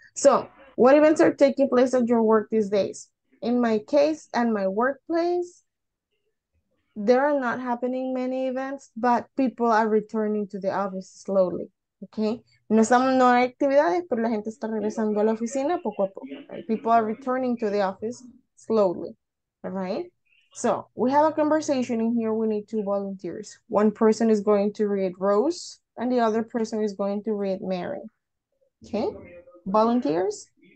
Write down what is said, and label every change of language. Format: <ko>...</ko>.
<en>So, what events are taking place at your work these days? In my case and my workplace, there are not happening many events, but people are returning to the office slowly, okay?</en> <es>No hay actividades, pero la gente está regresando a la oficina poco a poco, right?</es> <en>People are returning to the office slowly, all right? So, we have a conversation in here. We need 2 volunteers. One person is going to read Rose, and the other person is going to read Mary. Okay? Volunteers?</en>